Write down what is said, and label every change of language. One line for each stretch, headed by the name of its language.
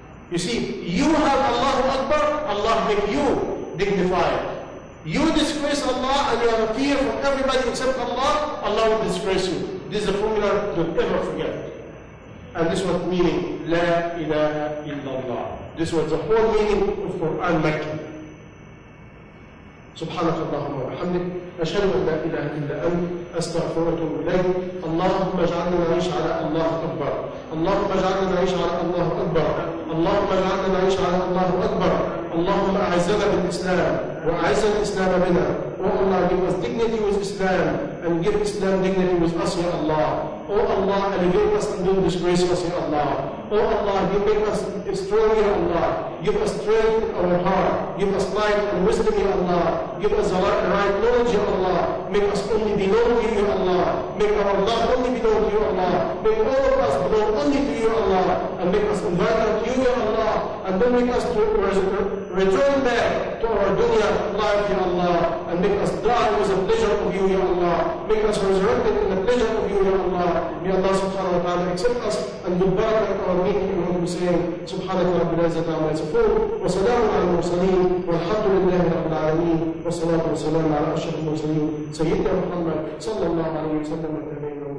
English: You see, you have Allahu Akbar. Allah make you dignified. You disgrace Allah and you have a fear from everybody except Allah, Allah will disgrace you. This is a formula don't ever forget. And this was meaning, La ilaha illallah. This was the whole meaning of Quran Makki.
Arabic: سبحانك اللهم وبحمدك أشهد أن لا إله إلا أنت أستغفرك وأتوب اللهم اجعلنا نعيش على الله أكبر اللهم اجعلنا نعيش على الله أكبر اللهم اجعلنا نعيش على الله أكبر اللهم أعزنا بالإسلام وأعز الإسلام بنا
English: Oh Allah give us dignity with Islam and give Islam dignity with us
Arabic: يا الله
English: Oh Allah elevate us and don't disgrace us
Arabic: يا الله
English: Oh Allah you make us strong
Arabic: يا الله
English: Give us strength in our heart. Give us light and wisdom, Ya Allah. Give us the right knowledge, Ya Allah. Make us only belong to You, Ya Allah. Make our love only belong to You, Ya Allah. Make all of us belong only to You, Ya Allah. And make us invited to You, Ya Allah. And don't make us to return back to our dunya life, Ya Allah. And make us die with the pleasure of You, Ya Allah. Make us resurrected in the pleasure of You, Ya Allah. May Allah subhanahu wa ta'ala accept us and be barakah at our meeting with Hussein. Subhanahu wa ta'ala.
Arabic: وسلام على المرسلين والحمد لله رب العالمين والصلاة والسلام على أشرف المرسلين سيدنا محمد صلى الله عليه وسلم التمين.